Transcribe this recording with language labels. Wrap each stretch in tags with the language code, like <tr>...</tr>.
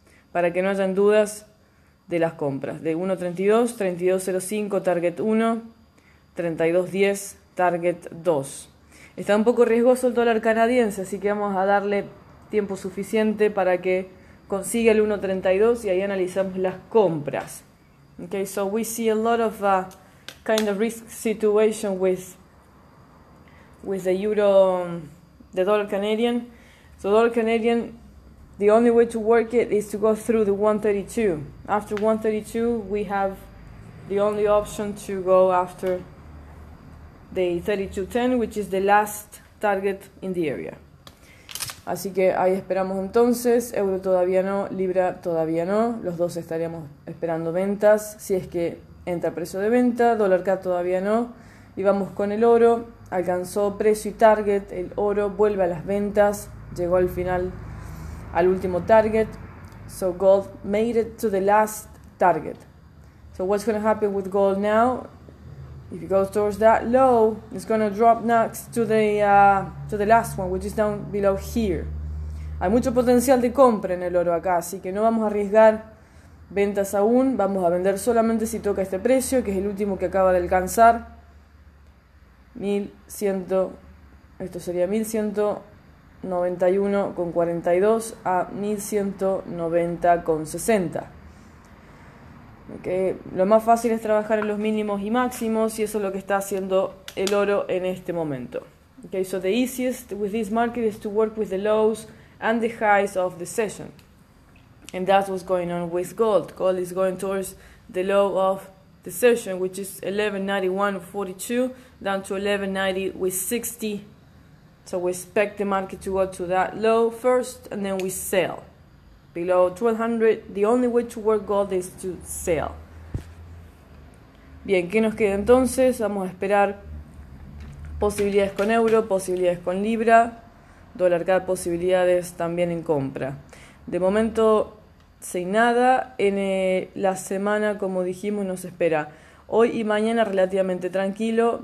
<es>Para que no hayan dudas de las compras. De 1.32, 32.05, target 1, 32.10, target 2. Está un poco riesgoso el dólar canadiense, así que vamos a darle tiempo suficiente para que consiga el 1.32 y ahí analizamos las compras.</es> <en>Okay, so we see a lot of kind of risk situation with the euro, the dollar Canadian. So dollar Canadian, the only way to work it is to go through the 1.32. After 1.32, we have the only option to go after the 32.10, which is the last target in the area.</en> <es>Así que ahí esperamos entonces. Euro todavía no, libra todavía no. Los dos estaríamos esperando ventas. Si es que entra precio de venta, dólar CAD todavía no. Y vamos con el oro. alcanzó precio y target, el oro vuelve a las ventas, llegó al final, al último target.</es> <en>So gold made it to the last target. So what's going to happen with gold now? If it goes towards that low, it's going to drop next to the last one, which is down below here.</en> <es>Hay mucho potencial de compra en el oro acá, así que no vamos a arriesgar ventas aún. Vamos a vender solamente si toca este precio, que es el último que acaba de alcanzar. 1100, esto sería 1191,42 a 1190,60. Okay. Lo más fácil es trabajar en los mínimos y máximos, y eso es lo que está haciendo el oro en este momento.</es> <en>Okay, so the easiest with this market is to work with the lows and the highs of the session. And that's what's going on with gold. Gold is going towards the low of the session, which is 1191.42 down to 1190.60. So we expect the market to go to that low first, and then we sell. Below 1200, the only way to work gold is to sell.</en> <es>Bien, ¿qué nos queda entonces? Vamos a esperar posibilidades con euro, posibilidades con libra, dólar CAD, posibilidades también en compra. De momento, sin nada. En la semana, como dijimos, nos espera hoy y mañana relativamente tranquilo.</es>